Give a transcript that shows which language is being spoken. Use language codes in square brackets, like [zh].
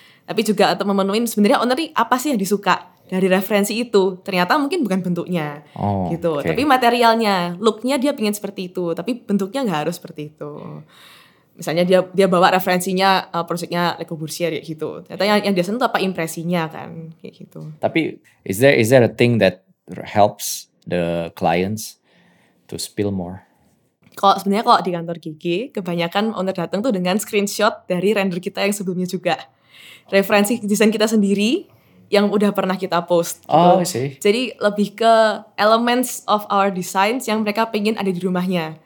[id] Tapi juga untuk memenuhi sebenarnya owner ini apa sih yang disuka dari referensi itu. Ternyata mungkin bukan bentuknya gitu. Okay. Tapi materialnya, looknya dia pengen seperti itu, tapi bentuknya gak harus seperti itu. Misalnya dia bawa referensinya proyeknya Le Corbusier gitu. Ternyata yang dia sentuh apa impresinya kan kayak gitu. Tapi [en] is there a thing that helps the clients to spill more? [id] Kalau sebenarnya kalau di kantor Gigi, kebanyakan owner datang tuh dengan screenshot dari render kita yang sebelumnya juga. Referensi desain kita sendiri yang udah pernah kita post. Oh, gitu. [en] I see. [id] Jadi lebih ke [en] elements of our designs [id] yang mereka pengen ada di rumahnya.